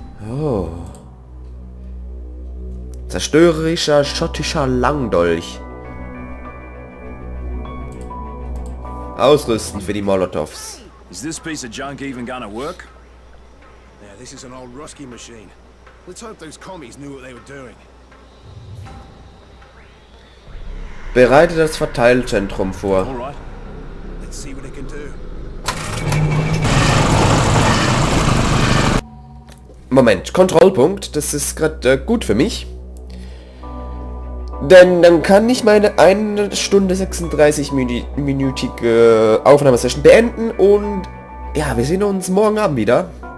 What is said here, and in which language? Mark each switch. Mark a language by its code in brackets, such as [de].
[de] Oh. Zerstörerischer schottischer Langdolch. Ausrüsten für die Molotovs. [en] Is this piece of junk even gonna work? Yeah, this is an old Ruski machine. Let's hope those commies knew what they were doing. [de] Bereite das Verteilzentrum vor. [en] Alright. Let's see what it can do. [de] Moment, Kontrollpunkt, das ist gerade gut für mich. Denn dann kann ich meine 1 Stunde 36 minütige Aufnahmesession beenden und ja, wir sehen uns morgen Abend wieder.